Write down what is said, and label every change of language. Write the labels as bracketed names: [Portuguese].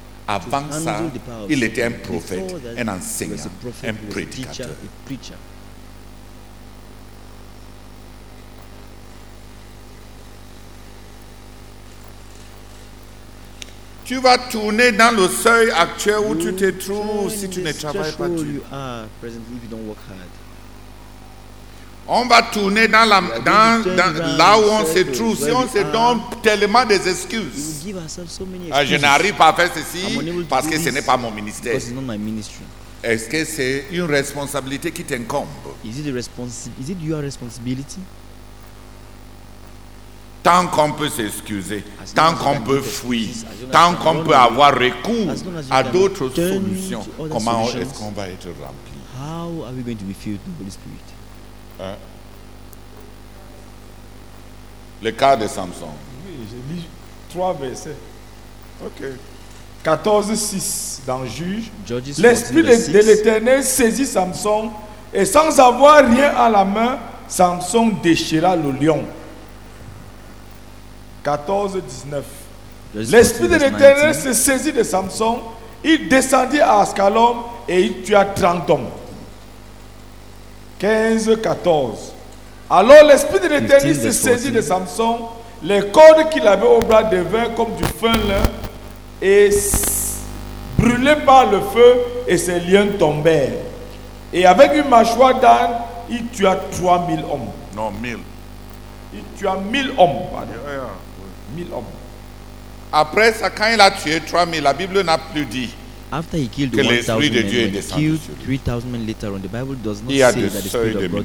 [French] Avant ça, il était un prophète, un enseignant, [English] a prophet, [French] un prédicateur. [English] A preacher. [French] Tu vas tourner dans le seuil actuel où tu te trouves si tu ne travailles pas. [English] You are present if you don't work hard. [French] On va tourner dans la dans là où on se trouve. Si on se donne tellement des excuses, je n'arrive pas à faire ceci parce que ce n'est pas mon ministère. [English] It's not my ministry. [French] Est-ce que c'est une responsabilité qui t'incombe? [English] Is it your responsibility? [French] Tant qu'on peut s'excuser, tant qu'on peut fuir, tant qu'on peut avoir recours à d'autres solutions, comment est-ce qu'on va être rempli? [English] How are we going to be filled with the Holy Spirit? [French] Le cas de Samson. Oui, j'ai lu trois versets. Ok. 14:6 dans Juges. L'Esprit de l'Éternel saisit Samson et sans avoir rien à la main, Samson déchira le lion. 14:19. L'Esprit de l'Éternel se saisit de Samson, il descendit à Ascalon et il tua 30 hommes. 15:14. Alors l'Esprit de l'Éternel se saisit de Samson, les cordes qu'il avait au bras devinrent comme du fin lin et brûlaient par le feu et ses liens tombèrent. Et avec une mâchoire d'âne, il tua 3000 hommes. Non, 1000. Il tua 1000 hommes, pardon. [English] Yeah, yeah. [French] 1000 hommes. Après ça, quand il a tué 3000, la Bible n'a plus dit. [English] After he killed [French] que [English] 1,000 men, [French] de [English] he killed 3,000 men later on. The Bible does not say that the Spirit of God